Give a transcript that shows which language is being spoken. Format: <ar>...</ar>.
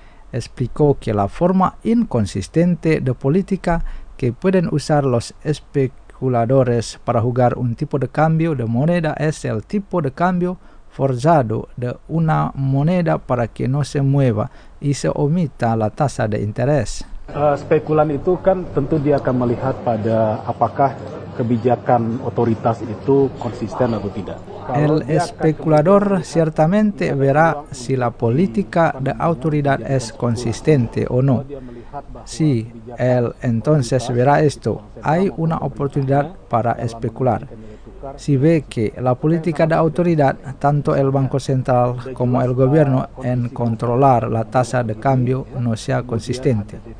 <es>Explicó que la forma inconsistente de política que pueden usar los especuladores para jugar un tipo de cambio de moneda es el tipo de cambio forzado de una moneda para que no se mueva y se omita la tasa de interés.</es> <id>Spekulan itu kan tentu dia akan melihat pada apakah kebijakan otoritas itu konsisten atau tidak.</id> <es>El especulador ciertamente verá si la política de autoridad es consistente o no. Si él entonces verá esto, hay una oportunidad para especular. Si ve que la política de autoridad, tanto el Banco Central como el gobierno en controlar la tasa de cambio no sea consistente.</es>